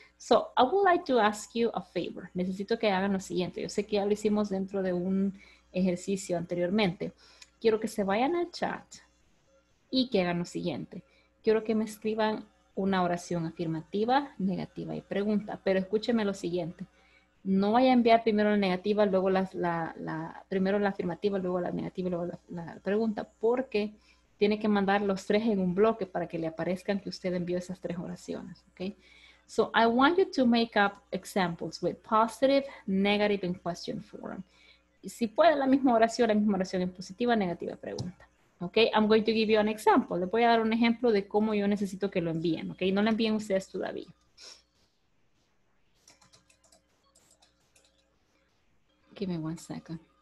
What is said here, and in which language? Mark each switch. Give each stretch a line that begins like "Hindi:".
English: So I would like to ask you a favor.
Spanish: Necesito que hagan lo siguiente. Yo sé que ya lo hicimos dentro de un ejercicio anteriormente. Quiero que se vayan al chat y que hagan lo siguiente. Quiero que me escriban una oración afirmativa, negativa y pregunta. Pero escúcheme lo siguiente. No vaya a enviar primero la negativa, luego la afirmativa, luego la negativa, luego la pregunta, porque tiene que mandar los tres en un bloque para que le aparezcan que usted envió esas tres oraciones, okay?
English: So I want you to make up examples with positive, negative, and question form.
Spanish: Si puede, la misma oración en positiva, negativa, pregunta, okay?
English: I'm going to give you an example.
Spanish: Le voy a dar un ejemplo de cómo yo necesito que lo envíen, okay? No lo envíen ustedes todavía.
English: Give me one second.